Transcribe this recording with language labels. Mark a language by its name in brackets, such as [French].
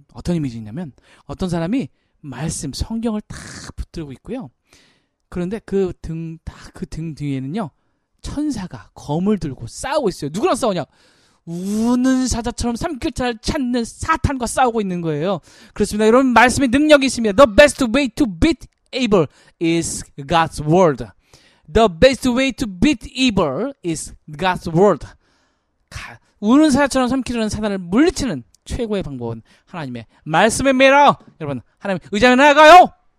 [Korean] 어떤 이미지냐면 어떤 사람이 말씀, 성경을 딱 붙들고 있고요. 그런데 그 등, 딱 그 등 뒤에는요. 천사가 검을 들고 싸우고 있어요. 누구랑 싸우냐? 우는 사자처럼 삼킬자를 찾는 사탄과 싸우고 있는 거예요. 그렇습니다. 여러분 말씀에 능력이 있습니다. [English] The best way to beat evil is God's word. The best way to beat evil is God's word. [Korean] 우는 사자처럼 삼키려는 사단을 물리치는 최고의 방법은 하나님의 말씀의 매라. 여러분 하나님 의지하며 나아가요.